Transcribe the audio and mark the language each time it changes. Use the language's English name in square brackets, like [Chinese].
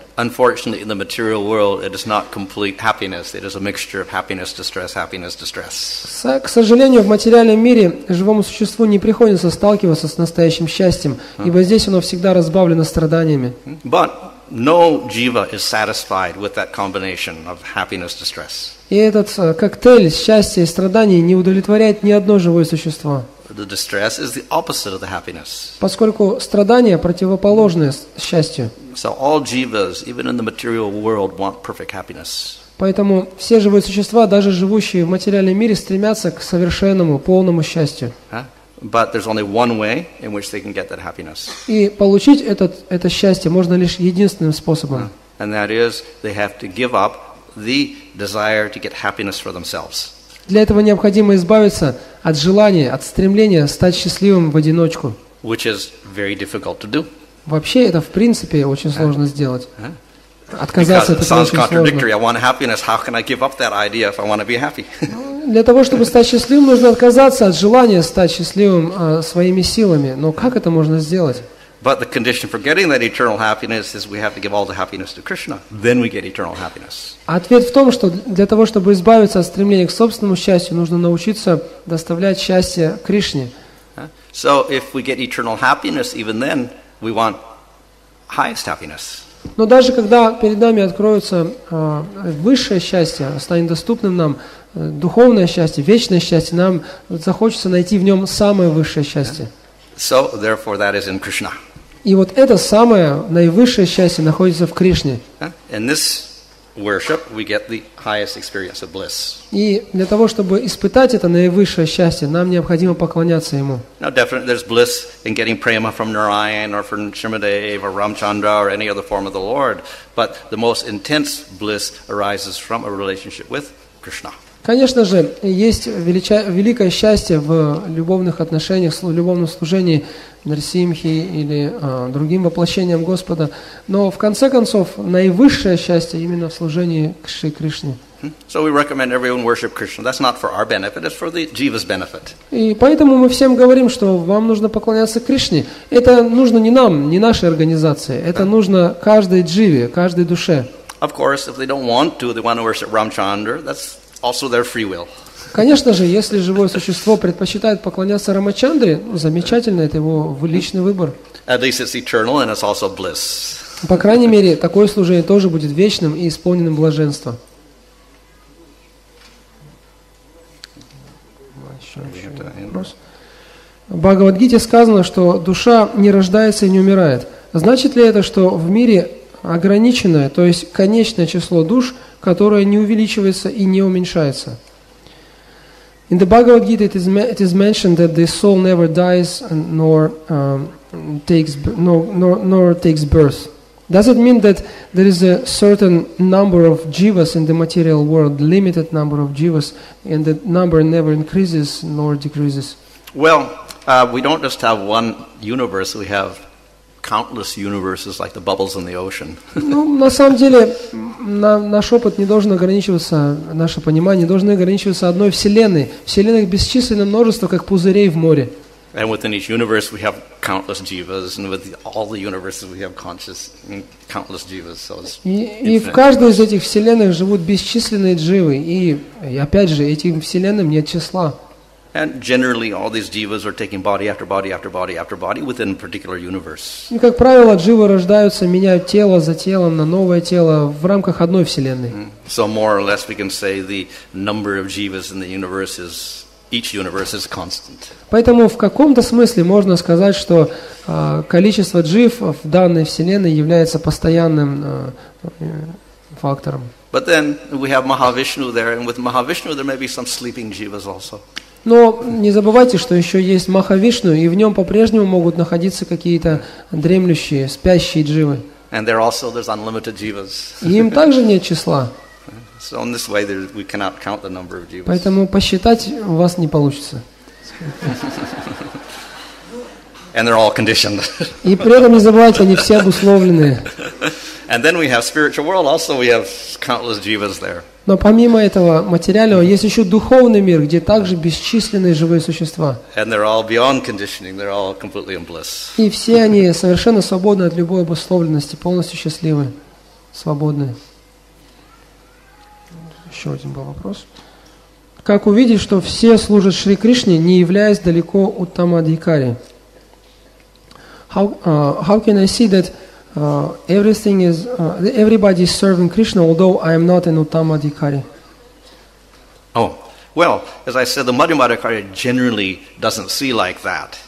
[English] Unfortunately, in the material world, it is not complete happiness. It is a mixture of happiness, distress, happiness, distress. [Russian] К сожалению, в материальном мире живому существу не приходится сталкиваться с настоящим счастьем, ибо здесь оно всегда разбавлено страданиями. [English] But no jiva is satisfied with that combination of happiness, distress. [Russian] И этот коктейль счастья и страданий не удовлетворяет ни одно живое существо. [English] The distress is the opposite of the happiness. [Russian] Поскольку страдания противоположны счастью. [English] So all jivas, even in the material world, want perfect happiness. [Russian] Поэтому все живые существа, даже живущие в материальном мире, стремятся к совершенному, полному счастью. [English] But there's only one way in which they can get that happiness. [Russian] И получить это счастье можно лишь единственным способом. [English] And that is, they have to give up the desire to get happiness for themselves. [Russian] Для этого необходимо избавиться от желания, от стремления стать счастливым в одиночку. [English] Which is very difficult to do. [Russian] Вообще это в принципе очень сложно сделать. Отказаться от этого очень сложно. [English] Because it sounds contradictory. I want happiness. How can I give up that idea if I want to be happy? [Russian] Для того, чтобы стать счастливым, нужно отказаться от желания стать счастливым своими силами. Но как это можно сделать? [English] But the condition for getting that eternal happiness is we have to give all the happiness to Krishna. Then we get eternal happiness. [Russian] Ответ в том, что для того, чтобы избавиться от стремления к собственному счастью, нужно научиться доставлять счастье Кришне. [English] So if we get eternal happiness, even then we want highest happiness. [Russian] Но даже когда перед нами откроется высшее счастье, станет доступным нам духовное счастье, вечное счастье, нам захочется найти в нем самое высшее счастье. [English] So, therefore, that is in Krishna. [Russian] И вот это самое наивысшее счастье находится в Кришне. [English] In this worship, we get the highest experience of bliss. [Russian] И для того, чтобы испытать это наивысшее счастье, нам необходимо поклоняться ему. [English] Now, definitely, there's bliss in getting prema from Narayan or from Shrimadeva or Ramchandra or any other form of the Lord, but the most intense bliss arises from a relationship with Krishna. [Russian] Конечно же, есть великое счастье в любовных отношениях, в любовном служении Нарсимхи или другим воплощением Господа, но в конце концов наивысшее счастье именно в служении Шри Кришне. [English] So we recommend everyone worship Krishna. That's not for our benefit, it's for the jiva's benefit. [Russian] И поэтому мы всем говорим, что вам нужно поклоняться Кришне. Это нужно не нам, не нашей организации. Это нужно каждой дживе, каждой душе. [English] Of course, if they don't want to, they want to worship Ramchandra, that's also their free will. [Russian] Конечно же, если живое существо предпочитает поклоняться Рамачандре, замечательно, это его личный выбор. [English] At least it's eternal and it's also bliss. [Russian] По крайней мере, такое служение тоже будет вечным и исполненным блаженства. В Бхагавад-гите сказано, что душа не рождается и не умирает. Значит ли это, что в мире ограниченное, то есть конечное число душ, которое не увеличивается и не уменьшается? [English] In the Bhagavad Gita, it is mentioned that the soul never dies nor takes birth. Does it mean that there is a certain number of jivas in the material world, limited number of jivas, and the number never increases nor decreases? Well, we don't just have one universe, we have countless universes like the bubbles in the ocean. [Russian] Ну, на самом деле, наш опыт не должен ограничиваться, наше понимание не должно ограничиваться одной вселенной. Вселенных бесчисленное множество, как пузырей в море. [English] And within each universe we have countless jivas, and with all the universes we have conscious countless jivas. So it's [Russian] и в каждой из этих вселенных живут бесчисленные дживы, и опять же, этим вселенным нет числа. [English] And generally, all these jivas are taking body after body after body after body within a particular universe. [Russian] И как правило, дживы рождаются, меняют тело за телом на новое тело в рамках одной вселенной. [English] So more or less, we can say the number of jivas in the universe is each universe is constant. [Russian] Поэтому в каком-то смысле можно сказать, что количество джив в данной вселенной является постоянным фактором. [English] But then we have Mahavishnu there, and with Mahavishnu there may be some sleeping jivas also. [Russian] Но не забывайте, что еще есть Махавишну, и в нем по-прежнему могут находиться какие-то дремлющие, спящие дживы. [English] And there also, there's unlimited jivas. [Russian] И им также нет числа. [English] So in this way, we cannot count the number of jivas. [Russian] Поэтому посчитать у вас не получится. [English] And they're all conditioned. [Russian] И при этом не забывайте, они все обусловлены. [English] And then we have spiritual world. Also, we have countless jivas there. [Russian] Но помимо этого материального, есть еще духовный мир, где также бесчисленные живые существа. [English] And they're all beyond conditioning. They're all completely in bliss. [Russian] И все они совершенно свободны от любой обусловленности, полностью счастливы, свободны. Еще один был вопрос. Как увидеть, что все служат Шри Кришне, не являясь далеко от Тамадхикари? [English] How can I see that everything is everybody is serving Krishna, although I am not an Uttamadhikari? Oh, well, as I said, the Madhyamadhikari generally doesn't see like that.